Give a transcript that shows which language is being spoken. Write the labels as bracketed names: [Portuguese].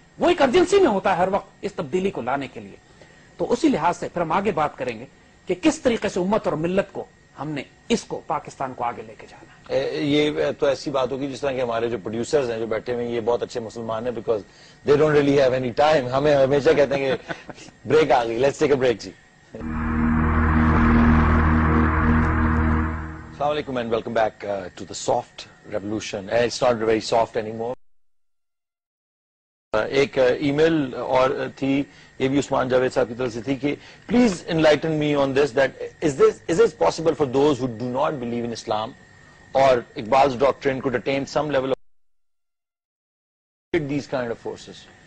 [Urdu] وہ ایک ارجنسی میں ہوتا ہے ہر وقت اس تبدیلی کو لانے کے لیے. تو اسی لحاظ سے پھر ہم آگے بات کریں گے کہ کس طریقے سے امت اور ملت کو ہم نے اس کو پاکستان کو آگے لے کے جانا. یہ تو ایسی بات ہوگی جس طرح کہ ہمارے جو پروڈیوسرز ہیں جو بیٹھے ہوئے ہیں یہ بہت اچھے مسلمان ہیں, [English] Because they don't really have any time. [Urdu] ہمیں ہمیشہ کہتے ہیں کہ بریک آ گئی, [English] Let's take a break. جی السلام علیکم and welcome back to the soft revolution. It's not very soft any more. [Urdu] ایک ای میل اور تھی, یہ بھی عثمان جاوید صاحب کی طرف سے تھی کہ [English] Please enlighten me on this, that is this possible for those who do not believe in Islam اور Iqbal's doctrine could attain some level of these kind of forces.